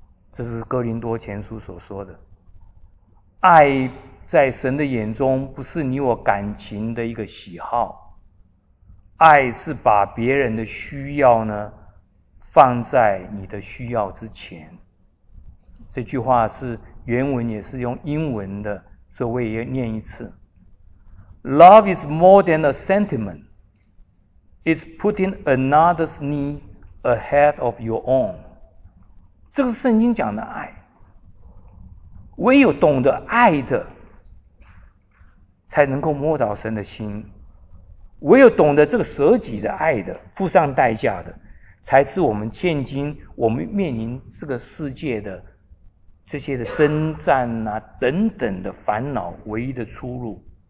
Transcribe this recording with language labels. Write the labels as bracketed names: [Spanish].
[Chinese] 这是哥林多前书所说的，爱在神的眼中不是你我感情的一个喜好，爱是把别人的需要呢放在你的需要之前。这句话是原文，也是用英文的，所以我也念一次。 [English] Love is more than a sentiment. It's putting another's knee ahead of your own. [Chinese] 这个是圣经讲的爱。唯有懂得爱的，才能够摸到神的心。唯有懂得这个舍己的爱的，付上代价的，才是我们现今，我们面临这个世界的这些的征战啊等等的烦恼唯一的出路。